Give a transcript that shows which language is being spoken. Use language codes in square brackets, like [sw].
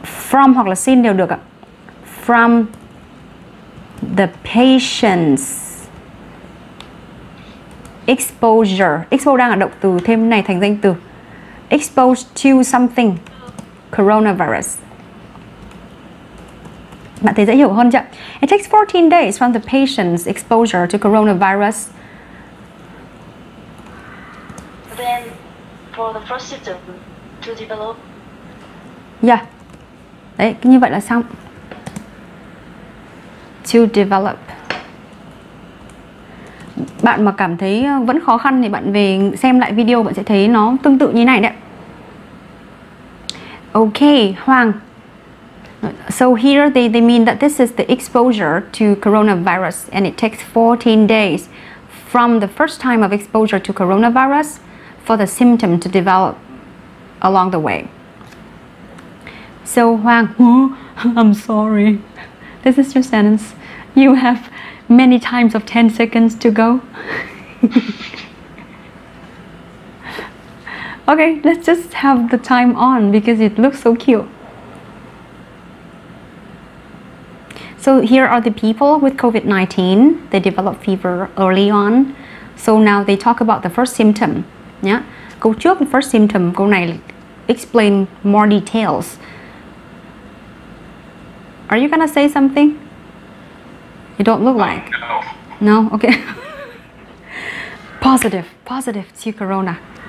[en] From [vi] hoặc là [en] since [vi] đều được ạ. [en] From the patient's exposure. [vi] Expose đang là động từ, thêm này thành danh từ. [en] Exposed to something. [vi] Coronavirus. Bạn thấy dễ hiểu hơn chưa? [en] It takes 14 days from the patient's exposure to coronavirus. Then, for the first symptom to develop from the time they expose. [vi] Yeah. Đấy, như vậy là xong. [en] To develop. [vi] Bạn mà cảm thấy vẫn khó khăn thì bạn về xem lại video, bạn sẽ thấy nó tương tự như này đấy. [en] Ok, Hoàng. So here they mean that this is the exposure to coronavirus and it takes 14 days from the first time of exposure to coronavirus for the symptom to develop along the way. So Hoàng, I'm sorry. This is your sentence. You have many times of 10 seconds to go. Okay, let's just have the time on because it looks so cute. So here are the people with COVID-19. They develop fever early on. So now they talk about the first symptom. Yeah, [vi] câu trước [en] the first symptom, [vi] câu này [en] explain more details. Are you gonna say something? You don't look like. No. No? Okay. Positive. Positive to Corona.